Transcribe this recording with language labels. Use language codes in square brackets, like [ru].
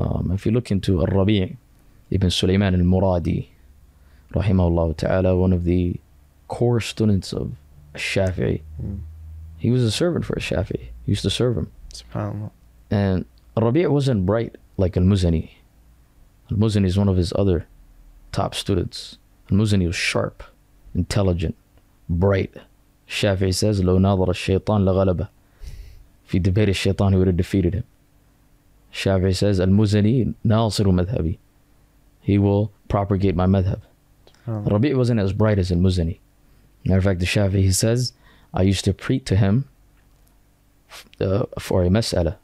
[en] If you look into al-Rabi' ibn Sulaiman al-Muradi, rahimahullah ta'ala, one of the core students of Shafi'i, he was a servant for Shafi'i. He used to serve him. SubhanAllah. And al-Rabi' wasn't bright like al-Muzani. Al-Muzani is one of his other top students. Al-Muzani was sharp, intelligent, bright. Shafi'i says, [ar] لو نظر الشيطان لغلبه. [en] If he debated الشيطان, he would have defeated him. Shafi'i says, Al-Muzani [ar] ناصر مذهبي. [en] He will propagate my madhab. Rabi' wasn't as bright as Al-Muzani. Matter of fact, the Shafi'i, he says, I used to preach to him for a mas'ala.